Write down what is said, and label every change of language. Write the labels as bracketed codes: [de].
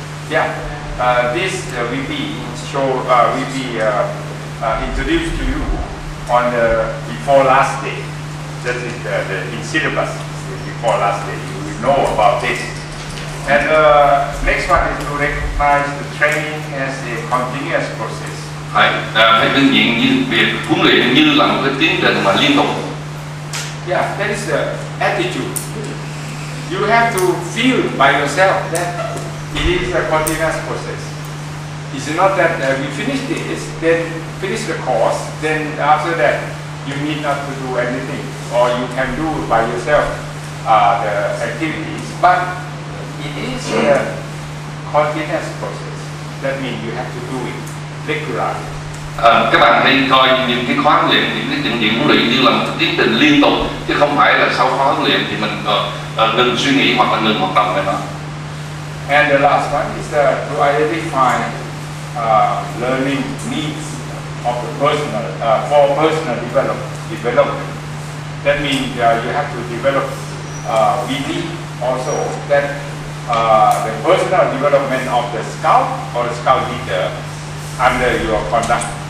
[en] Yeah, this will be show will be introduced to you on the before last day. That is the in syllabus before last day. You will know about this. And next one is to recognize the training as a continuous process. [vi] Phải nhận diện như việc huấn luyện như là một cái tiến trình mà liên tục. [en] Yeah, that is the attitude. You have to feel by yourself that it is a continuous process. It's not that we finish this, then finish the course, then after that you need not to do anything, or you can do by yourself the activities. But it is a continuous process. That means you have to do it regularly. [vi] Các bạn hãy coi những cái khóa huấn luyện, những cái chương trình huấn luyện như là một tiến trình liên tục, chứ không phải là sau khóa huấn luyện thì mình ngừng suy nghĩ hoặc là ngừng hoạt động về nó. [en] And the last one is to identify learning needs of the personal for personal development. That means you have to develop VD also. That the personal development of the scout or the scout leader under your conduct.